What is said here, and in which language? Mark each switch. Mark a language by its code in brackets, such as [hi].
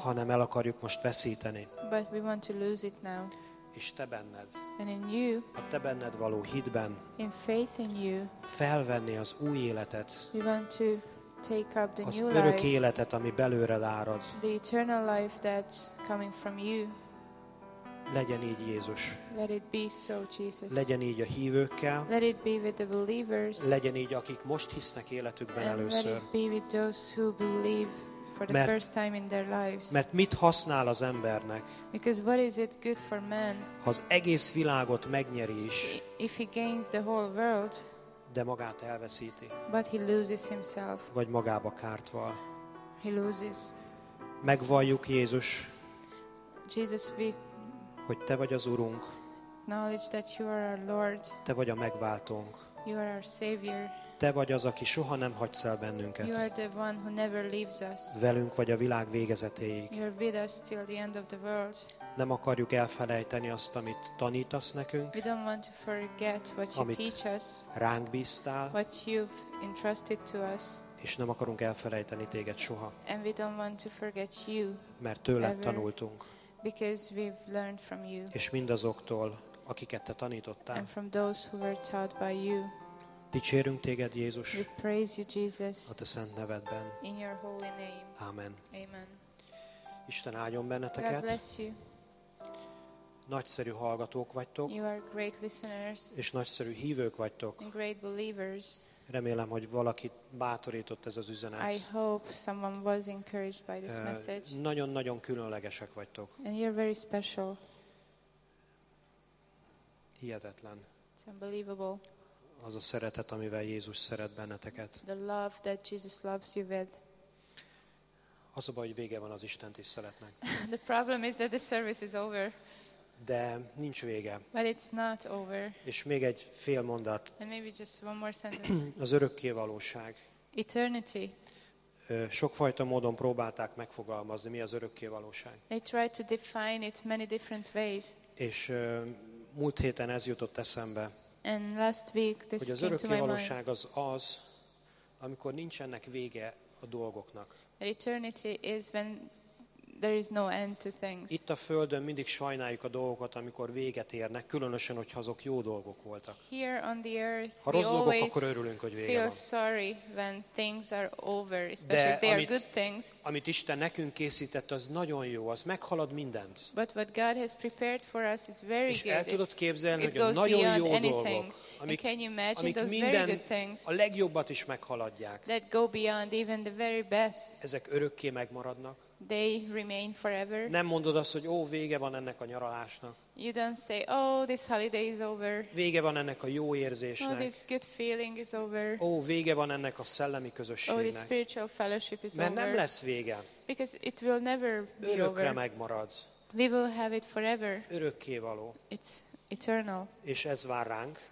[hu] Hanem el akarjuk most veszíteni. [en] But we want to lose it now. [hu] És te benned. [en] And in you. [hu] A te benned való hitben. [en] In faith in you. [hu] Felvenni az új életet. [en] We want to take up the [hu] az [en] new [hu] örök [en] life, [hu] életet, ami belőled árad. [en] The eternal life that's coming from you. [hu] Legyen így, Jézus. [en] Let it be so, Jesus. [hu] Legyen így a hívőkkel. [en] Let it be with the believers. [hu] Legyen így, akik most hisznek életükben először. [en] Let it be with those who believe for the first time in their lives. [hu] Mert mit használ az embernek? [en] Because what is it good for man? [hu] Ha az egész világot megnyeri is. [en] If he gains the whole world. [hu] De magát elveszíti. [en] But he loses himself. [hu] Vagy magába kárt val. [en] He loses. [hu] Megvalljuk, Jézus. [en] Jesus, we. [hu] Hogy te vagy az Urunk. [en] Knowledge that you are our Lord. [hu] Te vagy a megváltónk. [en] You are our Savior. [hu] Te vagy az, aki soha nem hagysz el bennünket. [en] You are the one who never leaves us. [hu] Velünk vagy a világ végezetéig. [en] You are with us till the end of the world. [hu] Nem akarjuk elfelejteni azt, amit tanítasz nekünk. [en] We don't want to forget what you teach us. [hu] Ránk bíztál. [en] What you've entrusted to us. [hu] És nem akarunk elfelejteni téged soha. [en] And we don't want to forget you. [hu] Mert tőled [en] ever. [hu] Tanultunk. [en] Because we've learned from you. [hu] És mindazoktól, akiket te tanítottál. [en] And from those who were taught by you. [hu] Dicsérünk téged, Jézus. [en] We praise you, Jesus. [hu] A te szent nevedben. [en] In your holy name. [hu] Amen. [en] Amen. [hu] Isten áldjon benneteket. [en] God bless you. [hu] Nagyszerű hallgatók vagytok. [en] You are great listeners. [hu] És nagyszerű hívők vagytok. [en] And great believers. [hu] Remélem, hogy valakit bátorított ez az üzenet. [en] I hope someone was encouraged by this message. [hu] Nagyon-nagyon különlegesek vagytok. [en] And you're very special. [hu] Hihetetlen. [en] It's unbelievable. [hu] Az a szeretet, amivel Jézus szeret benneteket. [en] The love that Jesus loves you with. [hu] Az a baj, hogy vége van az Isten tiszteletnek. [en] The problem is that the service is over. [hu] De nincs vége. [en] But it's not over. [hu] És még egy fél mondat. [en] And maybe just one more sentence. [hu] Az örökké valóság. [en] Eternity. [hu] Sokfajta módon próbálták megfogalmazni, mi az örökké valóság. [en] They tried to define it many different ways. [hu] És múlt héten ez jutott eszembe. [en] And last week this [hu] hogy az örökké valóság az az, amikor nincsenek vége a dolgoknak. [en] Eternity is when there is no end to things. [hu] Itt a földön mindig sajnáljuk a dolgokat, amikor véget érnek, különösen, hogyha azok jó dolgok voltak. [en] Here on the earth, [hu] ha rossz dolgok, akkor örülünk, hogy vége [en] feel [hu] van. [en] Sorry when things are over, especially [hu] de [en] if they are good things. [hu] Amit Isten nekünk készített, az nagyon jó, az meghalad mindent. [en] But what God has prepared for us is very [hu] és [en] good. [hu] És el tudod képzelni, hogy a nagyon jó dolgok, amik minden a legjobbat is meghaladják. [en] That go beyond even the very best. [hu] Ezek örökké megmaradnak. [en] They remain forever. [hu] Nem mondod azt, hogy ó, vége van ennek a nyaralásnak. [en] You don't say, oh, this holiday is over. [hu] Vége van ennek a jó érzésnek. [en] Oh, this good feeling is over. [hu] Ó, vége van ennek a szellemi közösségnek. [en] Oh, this spiritual fellowship is [hu] mert [en] over. [hu] Mert nem lesz vége. [en] Because it will never be [hu] örökre [en] over. [hu] Megmarad. [en] We will have it forever. [hu] Örökké való. [en] It's eternal. [hu] És ez vár ránk.